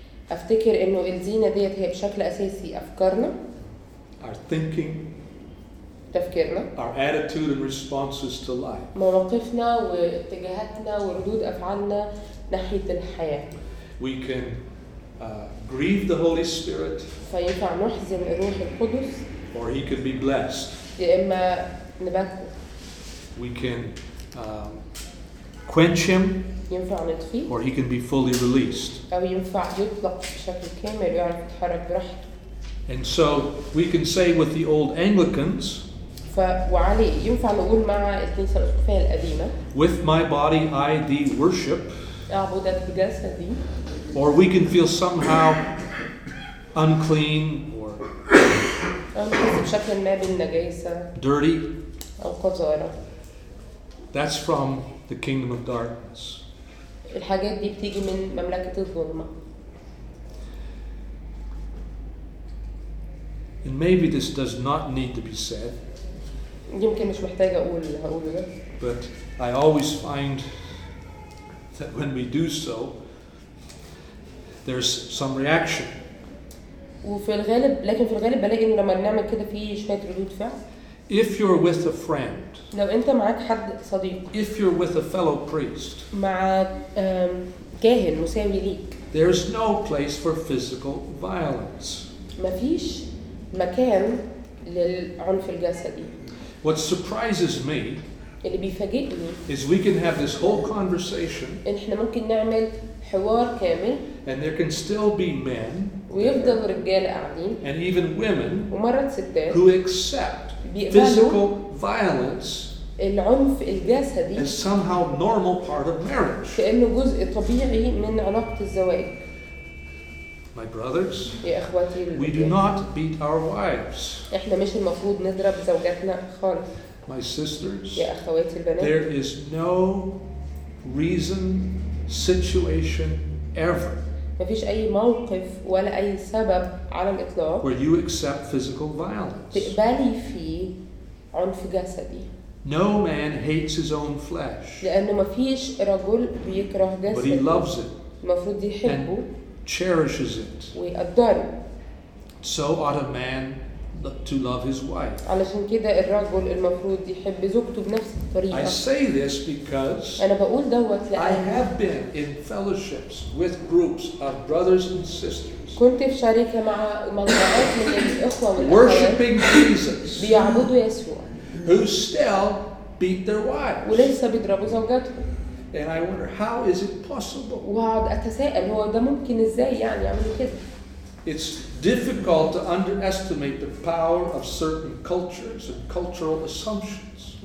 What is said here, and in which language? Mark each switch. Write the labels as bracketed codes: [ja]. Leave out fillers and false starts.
[ar] افتكر انه الزينة ديت هي بشكل اساسي افكارنا. [en] Our thinking. [ar] تفكيرنا. [en] Our attitude and responses to life. [ar] مواقفنا واتجاهاتنا وردود افعالنا ناحية الحياة. [en] We can grieve the Holy Spirit. [ar] فينفع نحزن الروح القدس. [en] Or he can be blessed. [ar] يا اما نبكي. [en] We can quench him. [ar] ينفع نطفي. [en] Or he can be fully released. [ar] أو ينفع يطلق بشكل كامل ويعرف يتحرك براحته. [en] And so we can say with the old Anglicans. [ar] وعلي ينفع نقول مع الكنيسة الأسقفية القديمة. [en] With my body I thee worship. [ar] أعبدك بجسدي. [en] Or we can feel somehow unclean. [ar] بشكل ما بالنجاسة. [en] Dirty. [ar] أو قذارة. [en] That's from the kingdom of darkness. [ar] الحاجات دي بتيجي من مملكة الظلمة. [en] And maybe this does not need to be said. [ar] يمكن مش محتاج أقول اللي هقوله ده. [en] But I always find that when we do so, there's some reaction. [ar] وفي الغالب لكن في الغالب بلاقي إن لما نعمل كده في شوية ردود فعل. [en] If you're with a friend. [ar] لو انت معك حد صديق. [en] If you're with a fellow priest. [ar] مع كاهن مساوي ليك. [en] There's no place for physical violence. [ar] مفيش مكان للعنف الجسدي. [en] What surprises me [ar] اللي بيفاجئني [en] is we can have this whole conversation [ar] احنا ممكن نعمل حوار كامل [en] and there can still be men [ar] ويفضل رجال قاعدين [en] and even women [ar] ومرات ستات [en] who accept physical violence [ar] العنف الجسدي [en] is somehow normal part of marriage [ar] كأنه جزء طبيعي من علاقة الزواج. [en] My brothers, [ar] يا اخواتي [en] we do not beat our wives. [ar] احنا مش المفروض نضرب زوجاتنا خالص. [en] My sisters, [ar] يا اخواتي البنات, [en] there is no reason, situation ever [ar] مفيش اي موقف ولا اي سبب على الاطلاق [en] where you accept physical violence [ar] تقبلي فيه عنف جسدي. [en] No man hates his own flesh. [ar] لأنه ما فيش رجل بيكره جسده. [en] But he loves it. [ar] المفروض يحبه. [en] And cherishes it. [ar] ويقدره. [en] So ought a man to love his wife. [ar] علشان كده الرجل المفروض يحب زوجته بنفس الطريقة. [en] I say this because [ar] أنا بقول دوت لأن [en] I have been in fellowships with groups of brothers and sisters. [ar] كنت في شركة مع مجموعات من الإخوة والأخوات. [en] Worshiping Jesus. [ar] بيعبدوا يسوع. [en] Who still beat their wives. [ar] ولسه بيضربوا زوجاتهم. [en] And I wonder how is it possible? [ar] وقعد اتساءل هو ده ممكن ازاي يعني يعملوا كده. [en] It's difficult to underestimate the power of certain cultures and cultural assumptions.